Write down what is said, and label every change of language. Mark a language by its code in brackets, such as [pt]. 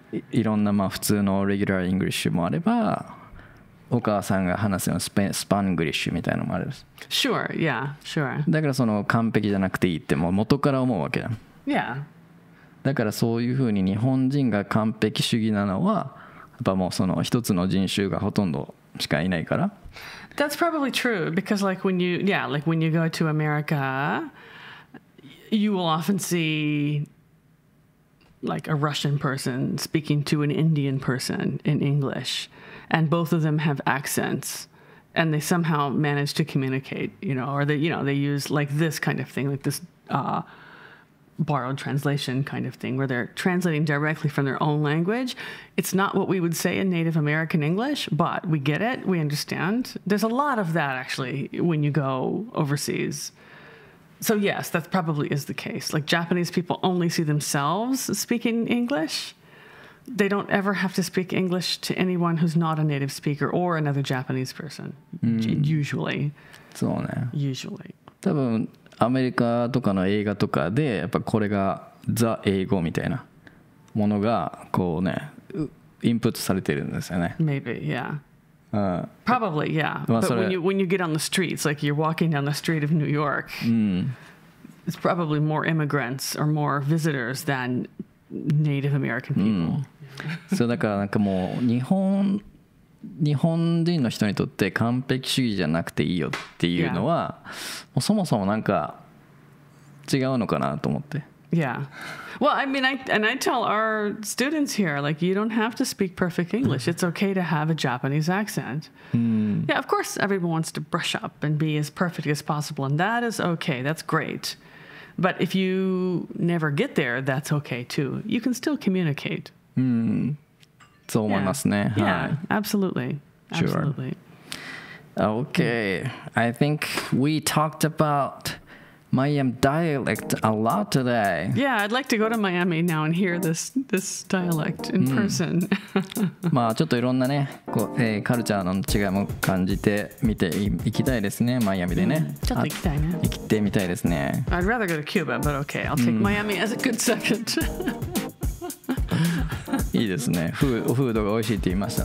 [ja] いろんなまあ普通のレギュラーイングリッシュもあれば、お母さんが話すようなスパングリッシュみたいなのもあります。 [en] Sure, yeah, sure. [ja] だからその完璧じゃなくていいってもう元から思うわけだ。 [en] Yeah. [ja] だからそういうふうに日本人が完璧主義なのは、やっぱもうその一つの人種がほとんどしかいないから。 [en] That's probably true, because like when you, yeah, like when you go to America, you will often see... like a Russian person speaking to an Indian person in English, and both of them have accents, and they somehow manage to communicate, you know, or they, you know, they use like this kind of thing, like this borrowed translation kind of thing, where they're translating directly from their own language. It's not what we would say in Native American English, but we get it, we understand. There's a lot of that actually when you go overseas. So yes, that probably is the case. Like Japanese people only see themselves speaking English. They don't ever have to speak English to anyone who's not a native speaker or another Japanese person. Usually. [ja] そうね。 [en] Usually. [ja] 多分アメリカとかの映画とかでやっぱこれがザ英語みたいなものがこうねインプットされてるんですよね。 [en] Maybe, yeah. Probably, yeah. But when you get on the streets, like you're walking down the street of New York, it's probably more immigrants or more visitors than Native American people. [ja] So, だからなんかもう日本人の人にとって完璧主義じゃなくていいよっていうのは、もうそもそもなんか違うのかなと思って。 [en] Yeah. Well, I mean, I tell our students here, like, you don't have to speak perfect English. It's okay to have a Japanese accent. Yeah, of course, everyone wants to brush up and be as perfect as possible. And that is okay. That's great. But if you never get there, that's okay, too. You can still communicate. [ja] そう思いますね。 [en] Yeah, yeah, absolutely. Absolutely. Okay. I think we talked about Miami dialect a lot today. Yeah, I'd like to go to Miami now and hear this dialect in person. [ja] まあちょっといろんなね、こう、カルチャーの違いも感じて見て行きたいですね、マイアミでね。ちょっと行きたいね。行ってみたいですね。 [en] I'd rather go to Cuba, but okay, I'll take Miami as a good second. [ja] いいですね。フードが美味しいって言いました